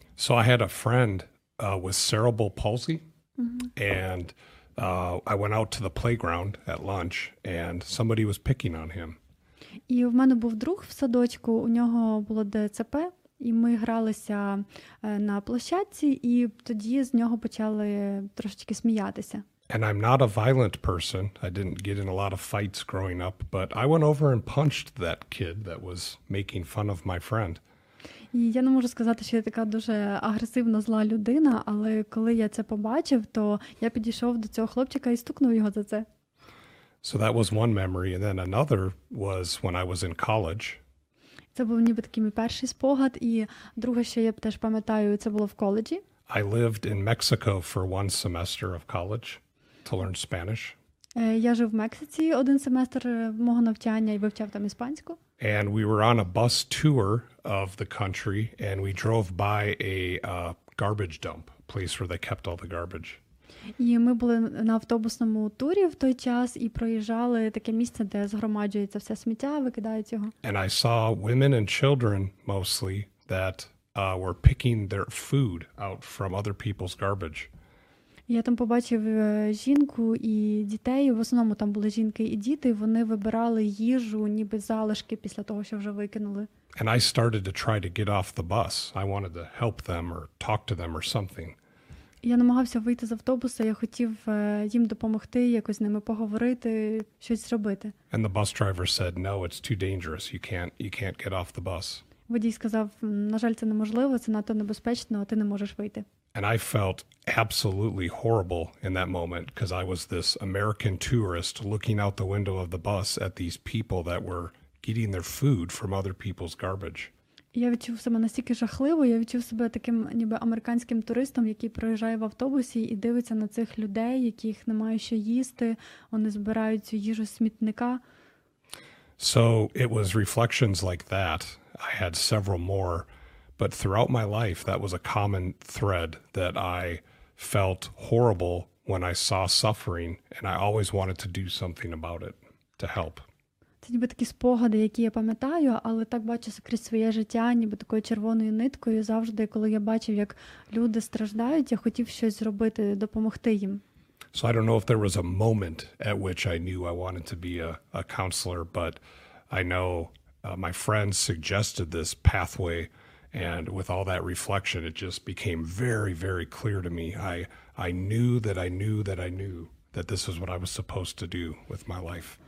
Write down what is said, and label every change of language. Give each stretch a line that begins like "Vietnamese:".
English: So I had a friend with cerebral palsy. Mm-hmm. And I went out to the playground at lunch and somebody was picking on him.
Ukrainian: І в мене був друг в садочку, у нього було ДЦП. І ми гралися на площадці, і тоді з нього почали трошечки сміятися.
English: And I'm not a violent person. I didn't get in a lot of fights growing up, but I went over and punched that kid that was making fun of my friend.
Ukrainian: І я не можу сказати, що я така дуже агресивна, зла людина, але коли я це побачив, то я підійшов до цього хлопчика і стукнув його за це.
English: So that was one memory, and then another was when I was in college.
Ukrainian: Це був ніби такий мій перший спогад, і друге, що я теж пам'ятаю, це було в коледжі.
English: I lived in Mexico for one semester of college to learn Spanish.
Ukrainian: Я жив в Мексиці один семестр мого навчання і вивчав там іспанську.
English: And we were on a bus tour of the country and we drove by a garbage dump, a place where they kept all the garbage.
Ukrainian: І ми були на автобусному турі в той час і проїжджали таке місце, де згромаджується все сміття, викидають його.
English: And I saw women and children mostly that were picking their food out from other people's garbage.
Ukrainian: Я там побачив жінку і дітей, в основному там були жінки і діти, вони вибирали їжу, ніби залишки після того, що вже викинули.
English: And I started to try to get off the bus. I wanted to help them or talk to them or something.
Ukrainian: Я намагався вийти з автобуса, я хотів їм допомогти, якось з ними поговорити, щось зробити.
English: And the bus driver said, no, it's too dangerous, you can't get off the bus.
Ukrainian: Водій сказав, на жаль, це неможливо, це надто небезпечно, ти не можеш вийти.
English: And I felt absolutely horrible in that moment, because I was this American tourist looking out the window of the bus at these people that were getting their food from other people's garbage.
Ukrainian: Я відчув себе настільки жахливо, я відчув себе таким ніби американським туристом, який проїжджає в автобусі і дивиться на цих людей, яких немає що їсти, вони збирають цю їжу з смітника.
English: So it was reflections like that. I had several more, but throughout my life that was a common thread that I felt horrible when I saw suffering and I always wanted to do something about it to help.
Ukrainian: Це ніби такі спогади, які я пам'ятаю, але так бачився крізь своє життя, ніби такою червоною ниткою. Завжди, коли я бачив, як люди страждають, я хотів щось зробити, допомогти їм.
English: So I don't know if there was a moment at which I knew I wanted to be a counselor, but I know my friends suggested this pathway, and with all that reflection, it just became very, very clear to me. I knew that this was what I was supposed to do with my life.